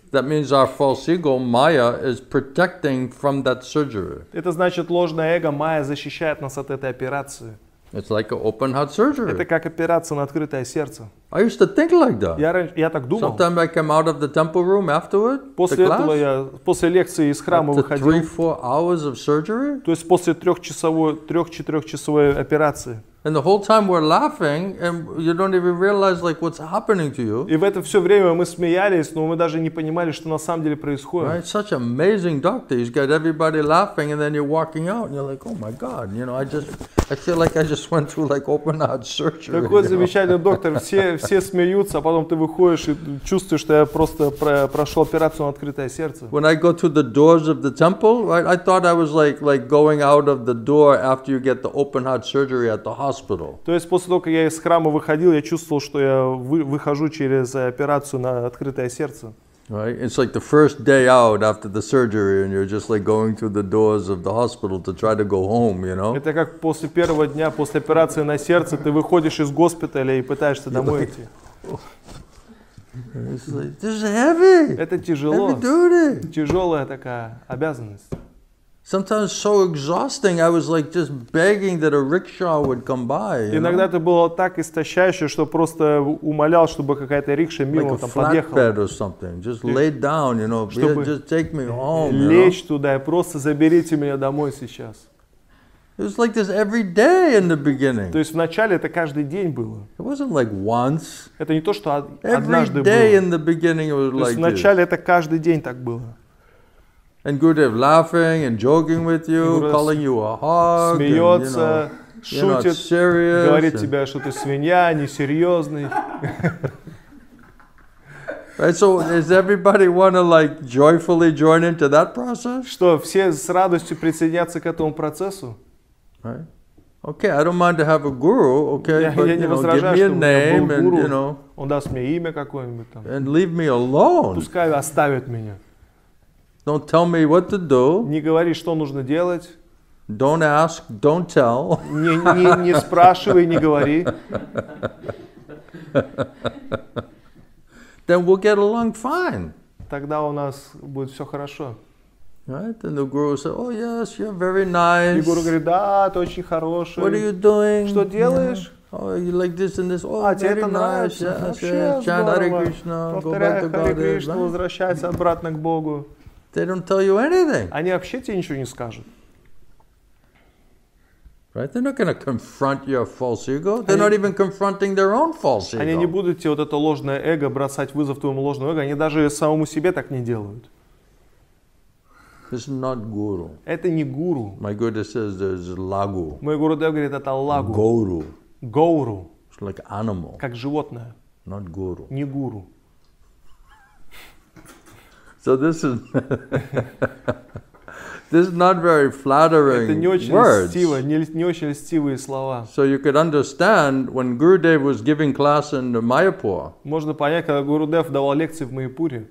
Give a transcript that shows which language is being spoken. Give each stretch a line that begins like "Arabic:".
English: That means our false ego, Maya, is protecting from that surgery.
Russian: Это значит, ложное эго, Maya, защищает нас от этой операции.
English: It's like an open heart surgery.
Russian: Это как операция на открытое сердце.
English: I used to think like that.
Russian: Я так думал.
English: Sometimes I came out of the temple room afterward.
Russian: После этого я после лекции из храма выходил.
English: After 3-4 hours of surgery.
Russian: То есть после трех-четырехчасовой операции.
English: And the whole time we're laughing, and you don't even realize like what's happening to you.
Russian: И в это все время мы смеялись, но мы даже не понимали, что на самом деле происходит.
English: Right? Such amazing doctor. He's got everybody laughing, and then you're walking out, and you're like, oh my god, you know, I feel like I just went through like open heart surgery.
Russian: Какой замечательный доктор. Все смеются, а потом ты выходишь и чувствуешь, что я просто прошел операцию на открытое сердце.
English: When I go through the doors of the temple, right, I thought I was like going out of the door after you get the open heart surgery at the hospital.
Russian: То есть после того, как я из храма выходил, я чувствовал, что я выхожу через операцию на открытое сердце.
English: Right, it's like the first day out after the surgery, and you're just like going through the doors of the hospital to try to go home, you know?
Russian: Это как после первого дня после операции на сердце ты выходишь из госпиталя и пытаешься домой идти.
English: It's like this is heavy.
Russian: Это тяжело.
English: Heavy duty.
Russian: Тяжелая такая обязанность.
English: Sometimes so exhausting, I was like just begging that a rickshaw would come by.
Russian: Иногда это было так истощающе, что просто умолял, чтобы какая-то рикша мимо там подъехала.
English: Like a flatbed or something, just lay down, you know, just take me home.
Russian: Лечь туда и просто заберите меня домой сейчас.
English: It was like this every day in the beginning.
Russian: То есть вначале это каждый день было.
English: It wasn't like once.
Russian: Это не то, что однажды было.
English: Every day in the beginning it was like this.
Russian: Вначале это каждый день так было.
English: And Gurudev laughing and joking with you, calling you a hog.
Russian: Смеется, шутит,
English: serious,
Russian: говорит тебе, что ты свинья, несерьезный.
English: Right, so does everybody want to like joyfully join into that process?
Russian: Что все с радостью присоединятся к этому процессу?
English: Right. Okay, I don't mind to have a guru, okay, but give me a name and, you know,
Russian: он даст мне имя какое-нибудь там.
English: And leave me alone.
Russian: Пускай оставят меня.
English: Don't tell me what to do.
Russian: Не говори, что нужно делать.
English: Don't ask, don't tell.
Russian: Не спрашивай, не говори.
English: Then we'll get along fine.
Russian: Тогда у нас будет все хорошо.
English: Right, and the guru said, "Oh yes, you're very nice."
Russian: И гуру говорит, да, ты очень хороший.
English: What are you doing?
Russian: Что делаешь?
English: Yeah. Oh, you like this and this. Oh, very
Russian: это
English: nice. Yes, yes. Chant Hare Krishna. Go back to Godhead.
Russian: Повторяй Hare Krishna, возвращайся обратно к Богу.
English: They don't tell you anything.
Russian: Они вообще тебе ничего не скажут.
English: Right, they're not going to confront your false ego. They're not even confronting their own false ego.
Russian: Они не будут тебе вот это ложное эго бросать вызов твоему ложному эго. Они даже самому себе так не делают.
English: This is not guru.
Russian: Это не гуру.
English: My guru says there's lagu.
Russian: Мой гуру говорит, это лагу. Гуру. Гуру.
English: It's like animal.
Russian: Как животное.
English: Not guru.
Russian: Не гуру.
English: So this is this is not very flattering words.
Russian: Это не очень
English: words.
Russian: Льстиво, не очень льстивые слова.
English: So you could understand when Gurudev was giving class in Mayapur.
Russian: Можно понять, когда Гурудев давал лекции в Майяпуре.